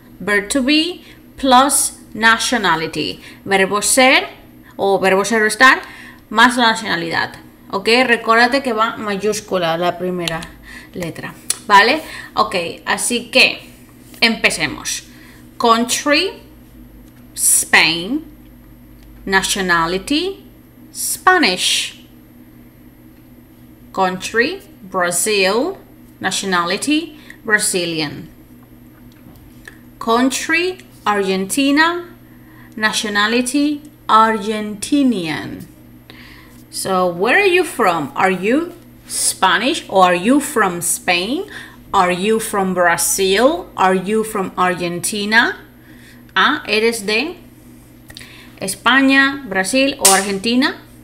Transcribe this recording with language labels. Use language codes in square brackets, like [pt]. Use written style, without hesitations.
[en] Verb to be plus nationality. [es] Verbo ser o verbo ser o estar más la nacionalidad. ¿Ok? Recuérdate que va mayúscula la primera letra. ¿Vale? Ok, así que empecemos. [en] Country, Spain. Nationality, Spanish. Country, Brazil. Nationality, Brazilian. Country, Argentina. Nationality, Argentinian. So, where are you from? Are you Spanish or are you from Spain? Are you from Brazil? Are you from Argentina? [es] Ah, ¿eres de España, Brasil o Argentina?